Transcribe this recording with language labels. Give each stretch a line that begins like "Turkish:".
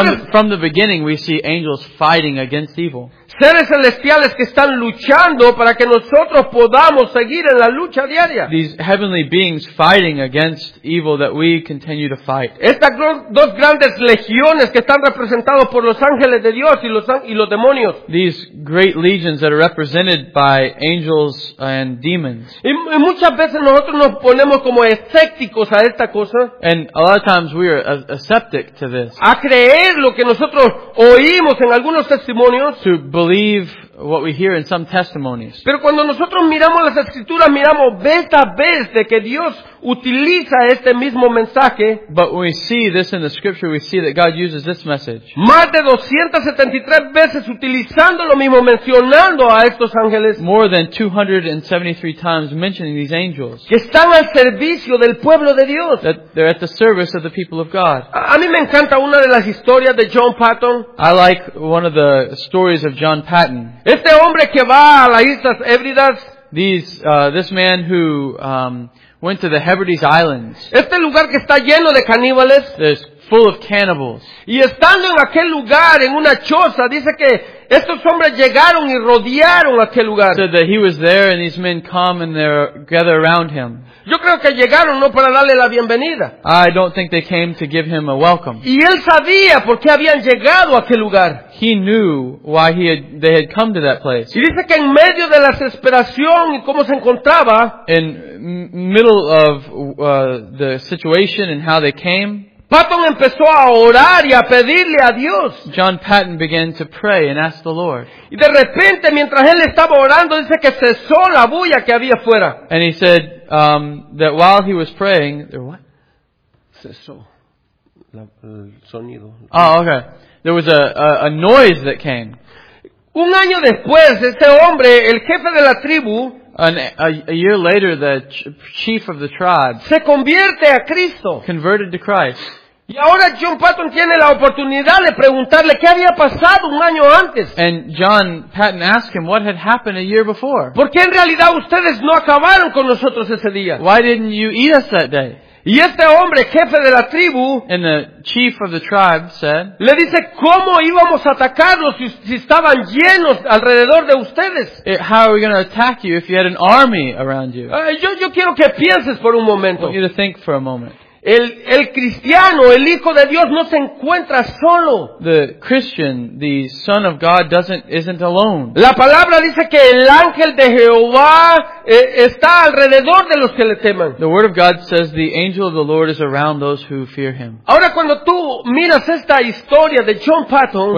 English: From the beginning, we see angels fighting against evil.
Spanish: Seres celestiales que están luchando para que nosotros podamos seguir en la lucha diaria.
English: These heavenly beings fighting against evil that we continue to fight.
Spanish: Estas dos grandes legiones que están representados por los ángeles de Dios y los demonios.
English: These great legions that are represented by angels and demons.
Spanish: Y muchas veces nosotros nos ponemos como escépticos a esta cosa.
English: And a lot of times we are a skeptic to this.
Spanish: A creer lo que nosotros oímos en algunos testimonios.
English: To believe what we hear in some testimonies.
Spanish: Pero cuando nosotros miramos las escrituras, miramos vez a vez de que Dios utiliza este mismo mensaje.
English: But when we see this in the scripture, we see that God uses this message.
Spanish: Más de 273 veces utilizando lo mismo, mencionando a estos ángeles.
English: More than 273 times mentioning these angels.
Spanish: Que están al servicio del pueblo de Dios.
English: That they're at the service of the people of God.
Spanish: A mí me encanta una de las historias de John Patton.
English: I like one of the stories of John Patton.
Spanish: Este hombre que va a las Islas Hébridas.
English: This man who went to the Hebrides Islands.
Spanish: Este lugar que está lleno de caníbales.
English: It's full of cannibals.
Spanish: Y estando en aquel lugar, en una choza, dice que estos hombres llegaron y rodearon aquel lugar.
English: Said that he was there and these men come and they gather around him.
Spanish: Yo creo que llegaron no para darle la bienvenida.
English: I don't think they came to give him a welcome.
Spanish: Y él sabía por qué habían llegado a aquel lugar.
English: He knew why they had come to that place.
Spanish: Y dice que en medio de la desesperación y cómo se encontraba.
English: In middle of the situation and how they came.
Spanish: Patton empezó a orar y a pedirle a Dios.
English: John Patton began to pray and ask the Lord.
Spanish: Y de repente, mientras él estaba orando, dice que cesó la bulla que había afuera.
English: And he said that while he was praying, what?
Spanish: Cesó el sonido.
English: Oh, okay. There was a noise that came.
Spanish: Un año después, este hombre, el jefe de la tribu,
English: A year later, the chief of the tribe
Spanish: se convierte a Cristo.
English: Converted to Christ.
Spanish: Y ahora John Patton tiene la oportunidad de preguntarle qué había pasado un año antes.
English: And John Patton asked him what had happened a year before.
Spanish: ¿Por qué en realidad ustedes no acabaron con nosotros ese día?
English: Why didn't you eat us that day?
Spanish: Y este hombre, jefe de la tribu,
English: and the chief of the tribe said,
Spanish: le dice, ¿cómo íbamos a atacarlos si estaban llenos alrededor de ustedes?
English: How are we going to attack you if you had an army around you?
Spanish: Yo quiero que pienses por un momento.
English: I want you to think for a moment.
Spanish: El cristiano, el hijo de Dios, no se encuentra solo.
English: The Christian, the son of God, isn't alone.
Spanish: La palabra dice que el ángel de Jehová está alrededor de los que le teman.
English: The word of God says the angel of the Lord is around those who fear him.
Spanish: Ahora cuando tú miras esta historia de John Patton,